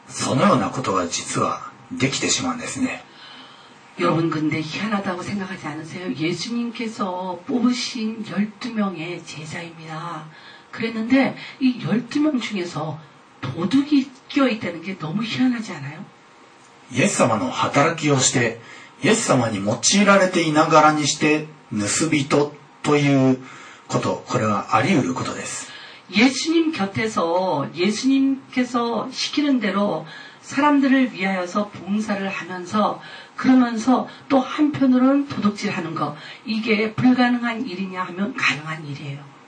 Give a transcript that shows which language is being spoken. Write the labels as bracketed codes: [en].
[ja] 예수様の十二弟子という立場でありながらにして盗人そのようなことが実はできてしまうんですね. [ko] 여러분 근데 희한하다고 생각하지 않으세요? 예수님께서 뽑으신 12명의 제자입니다. 그랬는데 이 12명 중에서 도둑이 껴있다는 게 너무 희한하지 않아요? [ja] 예수様の働きをして예수様に用いられていながらにして盗人ということこれはあり得ることです. [ko] 예수님 곁에서 예수님께서 시키는 대로 사람들을 위하여서 봉사를 하면서 그러면서 또 한편으로는 도둑질하는 거 이게 불가능한 일이냐 하면 가능한 일이에요.